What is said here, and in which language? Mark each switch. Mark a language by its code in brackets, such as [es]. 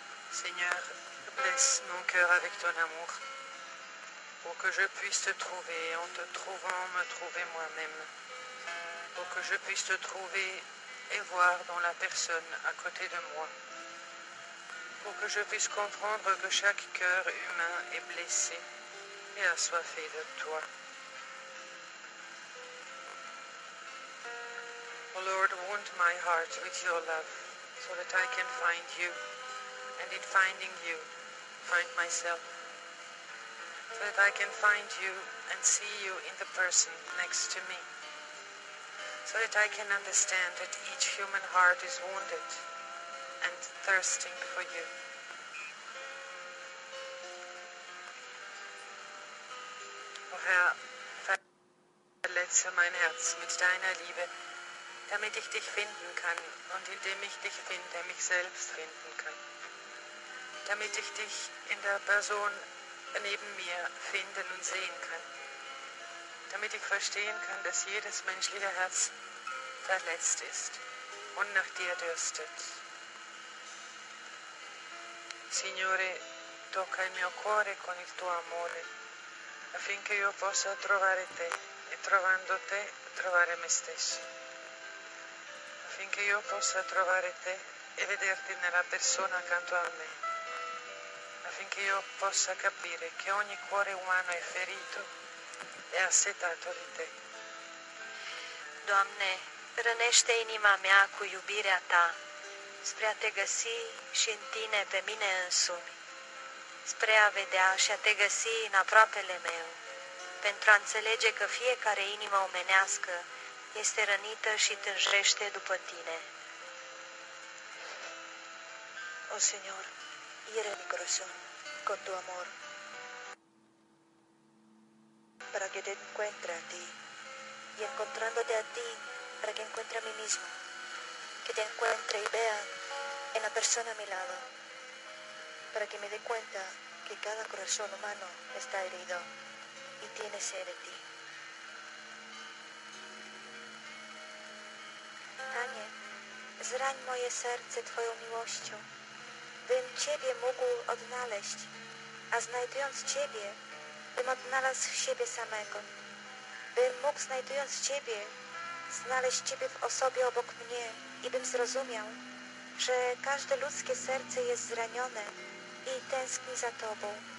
[fr] Seigneur, blesse mon cœur avec ton amour pour que je puisse te trouver en te trouvant me trouver moi-même. Pour que je puisse te trouver et voir dans la personne à côté de moi. Pour que je puisse comprendre que chaque cœur humain est blessé et assoiffé de toi. [en] Oh Lord, wound my heart with your love so that I can find you. And in finding you, find myself. So that I can find you and see you in the person next to me. So that I can understand that each human heart is wounded and thirsting for you. [de] O Herr, verletze mein Herz mit deiner Liebe, damit ich dich finden kann und indem ich dich finde, mich selbst finden kann. Damit ich dich in der Person neben mir finden und sehen kann. Damit ich verstehen kann, dass jedes menschliche Herz verletzt ist und nach dir dürstet. [it] Signore, tocca il mio cuore con il tuo amore, affinché io possa trovare te e trovando te trovare me stesso. Affinché io possa trovare te e vederti nella persona accanto a me. Affinché io possa capire che ogni cuore umano è ferito e assetato di te. [ro] Doamne, rănește inima mea cu iubirea ta, spre a te găsi și în tine pe mine însumi, spre a vedea și a te găsi în aproapele meu, pentru a înțelege că fiecare inimă omenească este rănită și tânjește după tine. [es] O Señor, hiere mi corazón con tu amor, para que te encuentre a ti, y encontrándote a ti, para que encuentre a mí mismo, que te encuentre y vea en la persona a mi lado, para que me dé cuenta que cada corazón humano está herido y tiene sed de ti. [pl] Panie, zrań moje serce Twoją miłością, bym Ciebie mógł odnaleźć, a znajdując Ciebie, bym odnalazł siebie samego, bym mógł znajdując Ciebie, znaleźć Ciebie w osobie obok mnie i bym zrozumiał, że każde ludzkie serce jest zranione i tęskni za Tobą.